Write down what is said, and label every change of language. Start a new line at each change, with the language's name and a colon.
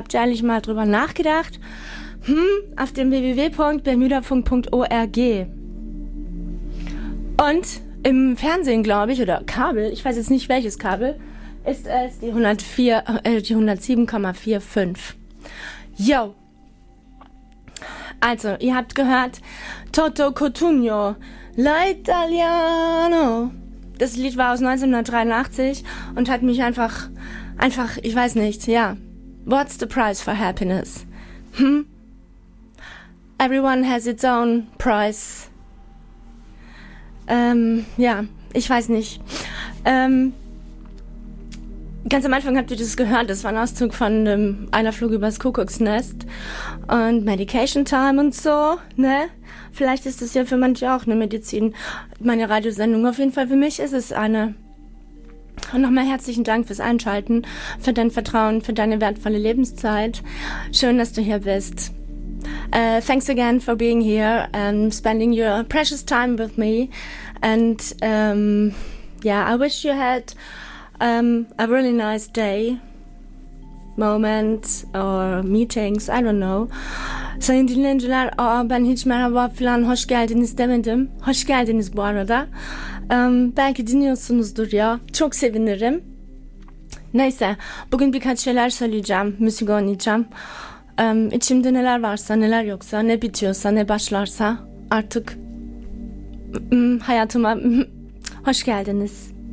German: Habt ihr eigentlich mal drüber nachgedacht? Auf dem www.bermudafunk.org und im Fernsehen, glaube ich, oder Kabel, ich weiß jetzt nicht welches Kabel, ist es die 107,45. Yo. Also, ihr habt gehört, Toto Cotugno, L'Italiano. Das Lied war aus 1983 und hat mich einfach, ich weiß nicht, ja.
English: What's the price for happiness? Everyone has its own price.
German: Ja, ich weiß nicht. Ganz am Anfang habt ihr das gehört, das war ein Auszug von einer Flug übers Kuckucksnest und Medication Time und so, ne? Vielleicht ist das ja für manche auch eine Medizin, meine Radiosendung. Auf jeden Fall für mich ist es eine. Und nochmal herzlichen Dank fürs Einschalten, für dein Vertrauen, für deine wertvolle Lebenszeit. Schön, dass du hier bist.
English: Thanks again for being here and spending your precious time with me. And yeah, I wish you had a really nice day, moment or meetings, I don't know.
Turkish: Sayın dinleyiciler, ben hiç merhaba falan, hoş geldiniz demedim. Hoş geldiniz bu arada. Belki dinliyorsunuzdur ya, çok sevinirim. Neyse, bugün birkaç şeyler söyleyeceğim, müzik oynayacağım. İçimde neler varsa, neler yoksa, ne bitiyorsa, ne başlarsa artık hayatıma hoş geldiniz.